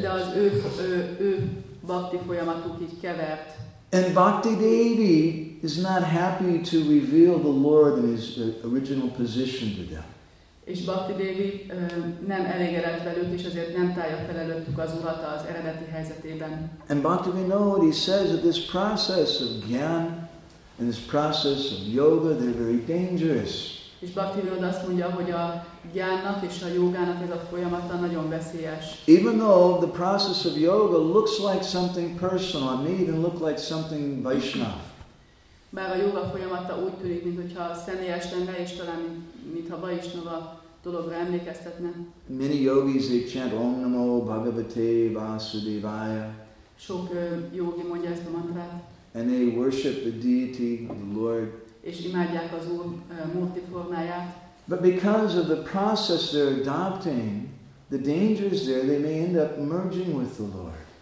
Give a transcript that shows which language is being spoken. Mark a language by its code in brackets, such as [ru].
[hu] De az ő bhakti folyamatuk így kevert. [en] And Bhakti Devi is not happy to reveal the Lord in his original position to them. [hu] És Bhakti Devi nem elégedett velük, és azért nem tálja fel előttük az Urat az eredeti helyzetében. [en] And Bhaktivinoda, he says that this process of jnana and this process of yoga, they're very dangerous. [hu] És Bhaktivinoda azt mondja, hogy a jnának és a jógának ez a folyamata nagyon veszélyes. [en] Even though the process of yoga looks like something personal, it may even look like something Vaishnava. [hu] Bár a jóga folyamata úgy tűnik, mintha személyes lenne, és talán mintha Vaishnava dologra emlékeztetne. [en] Many yogis, they chant [sa] Om Namo Bhagavate Vasudevaya. [hu] Sok jógi mondja ezt a mantrát. [en] And they worship the deity, the Lord. [hu] És imádják az Úr multiformáját. [en] But because of the process they're adopting, the danger is there, they may end up merging with the Lord.